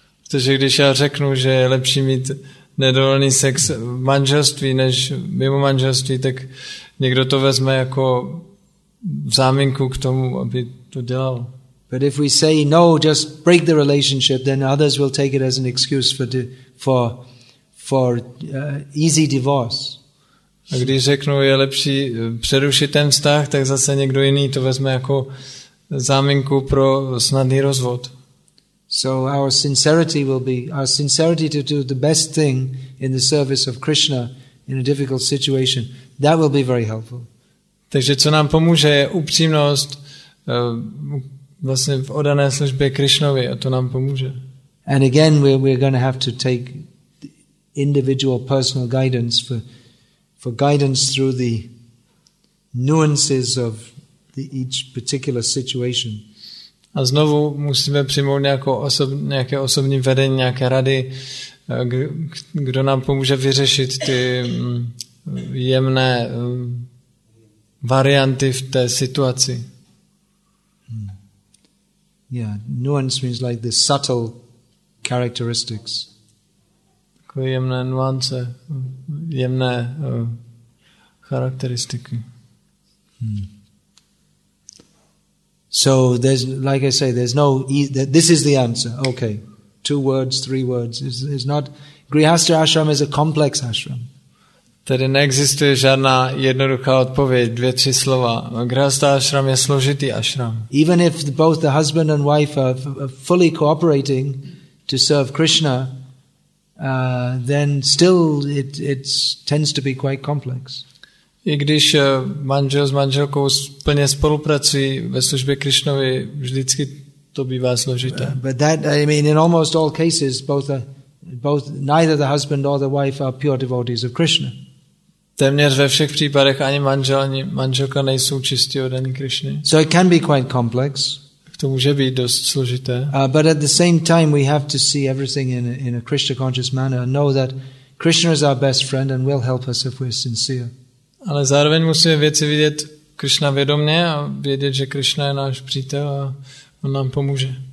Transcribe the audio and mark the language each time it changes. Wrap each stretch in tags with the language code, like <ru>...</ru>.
<cs>Protože když já řeknu, že je lepší mít nedovolený sex v manželství než mimo manželství, tak někdo to vezme jako záminku k tomu, aby to dělal.</cs> <en>But if we say no, just break the relationship, then others will take it as an excuse for easy divorce.</en> <cs>A když řeknu, je lepší přerušit ten vztah, tak zase někdo jiný to vezme jako záminku pro snadný rozvod.</cs> <en>So our sincerity to do the best thing in the service of Krishna in a difficult situation, that will be very helpful.</en> <cs>Takže co nám pomůže je upřímnost vlastně v oddané službě Krišnovi, a to nám pomůže.</cs> <en>And again we're going to have to take individual personal guidance for guidance through the nuances of each particular situation.</en> <cs>A znovu musíme přijmout nějaké osobní vedení, nějaké rady, kdo nám pomůže vyřešit ty jemné varianty v té situaci.</cs> <en>Yeah, nuance means like the subtle characteristics.</en> <cs>Takové jemné nuance, jemné charakteristiky.</cs> <en>So there's, like I say, there's no, this is the answer. Okay, two words, three words. It's not, Grihastha ashram is a complex ashram.</en> <cs>Tedy neexistuje žádná jednoduchá odpověď, dvě, tři slova. Grihastha ashram je složitý ashram.</cs> <en>Even if both the husband and wife are fully cooperating to serve Krishna, then still it tends to be quite complex.</en> <cs>I když manžel s manželkou plně spolupracují ve službě Krišnovi, vždycky to bývá složité.</cs> <en>But that, I mean, in almost all cases, neither the husband or the wife are pure devotees of Krishna.</en> <cs>Téměř ve všech případech ani manžel, ani manželka nejsou čistí oddaní Krišny.</cs> <en>So it can be quite complex.</en> <cs>To může být dost složité.</cs> <en>But at the same time, we have to see everything in a Krishna conscious manner and know that Krishna is our best friend and will help us if we're sincere.</en> <cs>Ale zároveň musíme věci vidět Krishna vědomně a vědět, že Krishna je náš přítel a on nám pomůže.</cs>